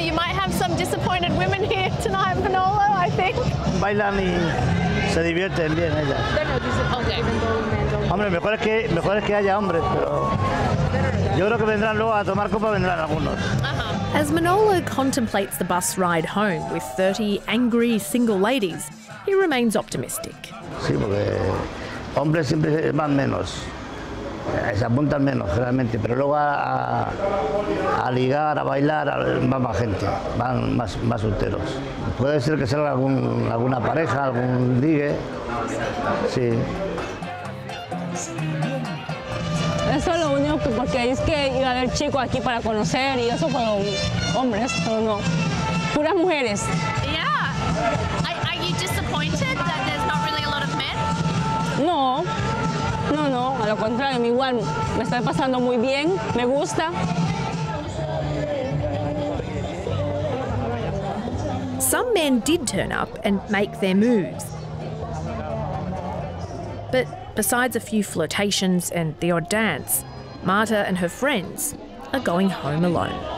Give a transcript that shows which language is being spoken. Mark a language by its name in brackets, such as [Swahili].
[English] you might have some disappointed women here tonight, Manolo, I think. [Spanish] Bailan y se divierten bien ellas. [English] They're not disappointed. [Spanish] Hombre, mejor es que haya hombres, pero yo creo que vendrán luego a tomar copa, vendrán algunos. [English] As Manolo contemplates the bus ride home with 30 angry single ladies, he remains optimistic. [Spanish] Sí, porque hombres siempre van menos. Se apuntan menos, generalmente, pero luego a ligar, a bailar, va más gente, van más solteros. Puede ser que salga alguna pareja, algún ligue, sí. Eso es lo único, porque es que iba a haber chicos aquí para conocer y eso fueron hombres, pero no, puras mujeres. [English] Yeah. Are you disappointed that there's not really a lot of men? [Spanish] No. No, no, a lo contrario, igual me estoy pasando muy bien, me gusta. [English] Some men did turn up and make their moves. But besides a few flirtations and the odd dance, Marta and her friends are going home alone.